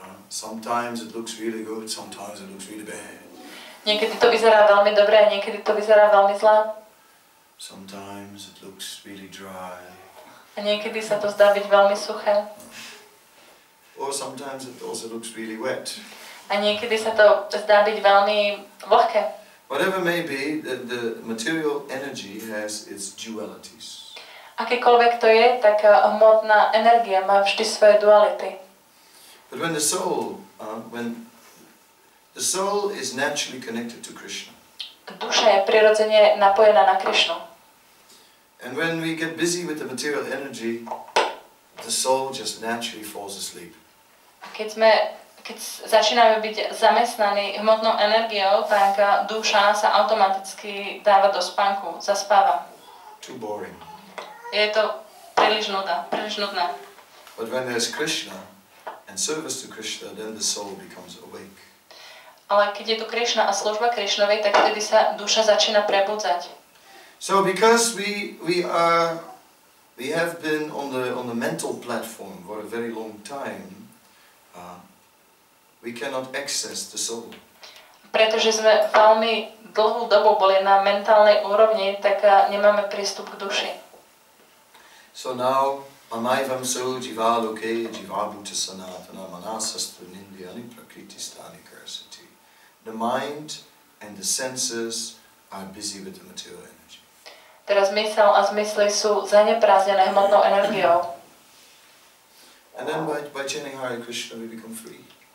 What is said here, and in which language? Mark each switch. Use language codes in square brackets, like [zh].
[en] Sometimes it looks really good, sometimes it looks really bad. [sk] Niekedy to vyzerá veľmi dobre, a niekedy to vyzerá veľmi zle. [en] Sometimes it looks really dry. [sk] A niekedy sa to zdá byť veľmi suché. [en] Or sometimes it also looks really wet. [sk] A niekedy sa to zdá byť veľmi vlhké. [en] Whatever may be, the material energy has its dualities. [sk] Akékoľvek to je, tak hmotná energia má vždy svoje duality. [en] But when the soul, when the soul is naturally connected to Krishna. [sk] Duša je prirodzene napojená na Krišnu. [en] And when we get busy with the material energy, the soul just naturally falls asleep. [sk] Keď začíname byť zamestnaní hmotnou energiou, tak duša sa automaticky dáva do spánku, zaspáva. [en] Too boring. [sk] Je to príliš nudné. [en] But when there's Krishna and service to Krishna, then the soul becomes awake. [sk] Ale keď je tu Krishna a služba Krishnovi, tak vtedy sa duša začína prebudzať. [en] So because we have been on the mental platform for a very long time, we cannot access the soul. [sk] Pretože sme veľmi dlhú dobu boli na mentálnej úrovni, tak nemáme prístup k duši. [en] So now [sa] amaivam soul jivaloke jivabhuta sanatana manasastra nindyani prakriti stani karsati. [en] The mind and the senses are busy with the material energy. [sk] Teraz mysel a zmysly sú zaneprázdnené hmotnou energiou. [en] And then by chanting Hare Krishna we become free.